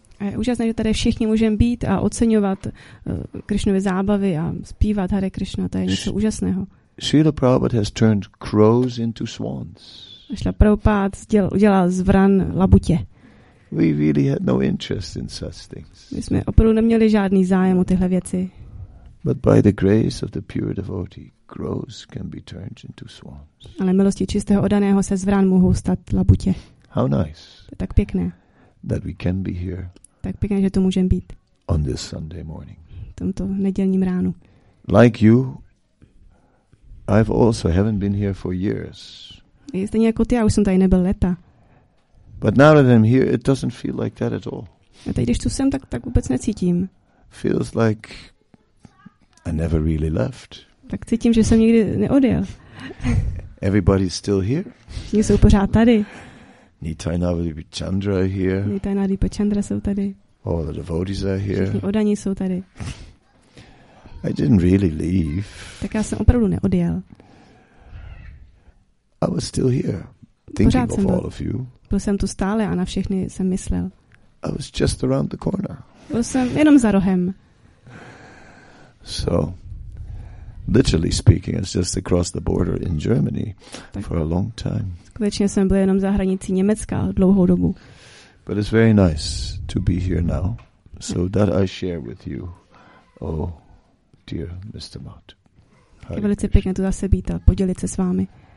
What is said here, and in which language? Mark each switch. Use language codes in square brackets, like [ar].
[cs] Je úžasné, že tady všichni můžeme být a oceňovat Krishnovy zábavy a zpívat Hare Krishna. To je něco úžasného. [en] Srila Prabhupada has turned crows into swans. [cs] Srila Prabhupada udělal z vran labutě. [en] We really had no interest in such things. [cs] My jsme opravdu neměli žádný zájem o tyhle věci. [en] But by the grace of the pure devotee, crows can be turned into swans. [cs] Ale milosti čistého oddaného se z vran mohou stát labutě. [en] How nice. [cs] To je tak pěkné. [en] That we can be here. [cs] Tak pěkně, že tu můžeme být. [en] On this Sunday morning. [cs] Tomto nedělním ránu. [en] Like you, I've also haven't been here for years. [cs] Jste nějako ty, já už jsem tady nebyl leta. [en] But now that I'm here, it doesn't feel like that at all. [cs] A teď, když tu jsem, tak vůbec necítím. [en] Feels like I never really left. [cs] Tak cítím, že jsem nikdy neodjel. [en] Everybody's still here. [cs] Všichni jsou pořád tady. [en] Nitainavadipa Chandra here. [cs] Nitainavadipa Chandra jsou tady. [en] All the devotees are here. [cs] Všichni oddaní jsou tady. [en] I didn't really leave. [cs] Tak já jsem opravdu neodjel. [en] I was still here, thinking of all of you. [cs] Byl jsem tu stále a na všechny jsem myslel. [en] I was just around the corner. [cs] Byl jsem jenom za rohem. [en] So, literally speaking, it's just across the border in Germany for a long time. [cs] Skutečně jsem byl jenom za hranicí Německa dlouhou dobu. [en] But it's very nice to be here now. So that I share with you, oh dear Mr. Mott. [cs] Je velice pěkné tu zase být a podělit se s vámi.